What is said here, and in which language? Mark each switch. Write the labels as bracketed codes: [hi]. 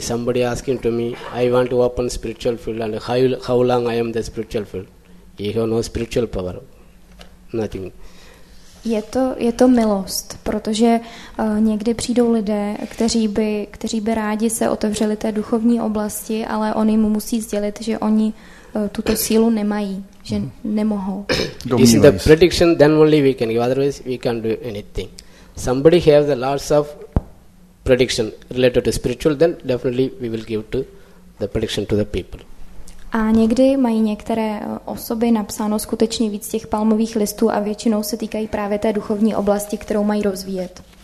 [en] Somebody asking to me, I want to open spiritual field and how long I am the spiritual field? You have no spiritual power. Nothing. [cs] Je to milost, protože někdy přijdou lidé, kteří by rádi se otevřeli té duchovní oblasti, ale oni mu musí sdělit, že oni tuto sílu nemají, že nemohou. [en] Is the prediction, then only we can give, otherwise we can't do anything. Somebody has the laws of prediction related to spiritual, then definitely we will give to the prediction to the people. [cs] A někdy mají některé osoby napsáno skutečně víc těch palmových listů a většinou se týkají právě té duchovní oblasti, kterou mají rozvíjet.